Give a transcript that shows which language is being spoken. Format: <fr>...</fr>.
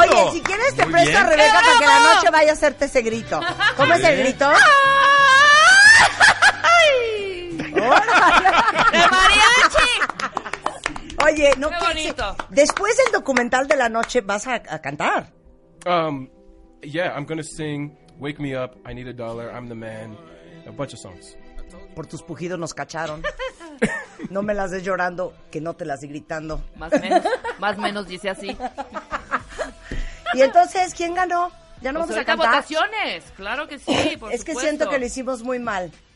<es>Oye, si quieres te presto a Rebeca para que la noche vaya a hacerte ese grito. ¿Cómo es el grito? ¡De mariachi! Oye, no. Qué bonito. Después del documental de la noche, ¿vas a cantar?</es> <en>Yeah, I'm gonna sing Wake Me Up, I Need a Dollar, I'm the Man, a bunch of songs.</en> <es>Por tus pujidos nos cacharon. No me las des llorando, que no te las di gritando. Más menos dice así. Y entonces, ¿quién ganó? ¿Ya no vamos a cantar? Votaciones, claro que sí, por supuesto. Es que siento que lo hicimos muy mal.</es>